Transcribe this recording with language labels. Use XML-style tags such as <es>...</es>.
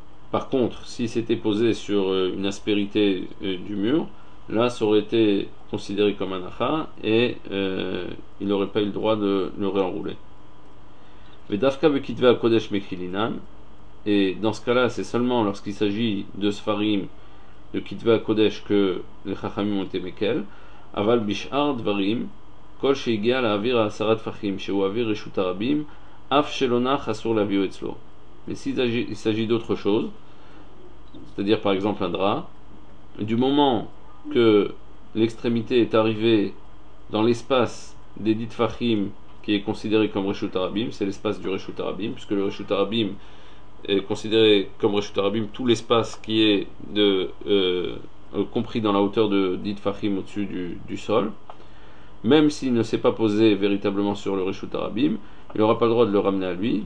<fr>Par contre, s'il s'était posé sur une aspérité du mur, là ça aurait été considéré comme un achat, et il n'aurait pas eu le droit de le réenrouler. Mais</fr> <he>Dafka Bekitva Kodesh Mekhilinan,</he> <fr>et dans ce cas-là, c'est seulement lorsqu'il s'agit de Sfarim, le Kitva Kodesh, que les Chachamim ont été Mekel,</fr> <he>Aval Bishard Varim, כל שהגיע לאוויר העשרה טפחים, שהוא אוויר רשות הרבים, אף שלא נח אסור להביאו אצלו.</he> <fr>Mais s'il s'agit d'autre chose, c'est-à-dire par exemple un drap, du moment que l'extrémité est arrivée dans l'espace des dites fachim, qui est considéré comme Reshut Arabim, c'est l'espace du Reshut Arabim, puisque le Reshut Arabim est considéré comme Reshut Arabim tout l'espace qui est de, compris dans la hauteur de dites fachim au-dessus du sol, même s'il ne s'est pas posé véritablement sur le Reshut Arabim, il n'aura pas le droit de le ramener à lui.</fr>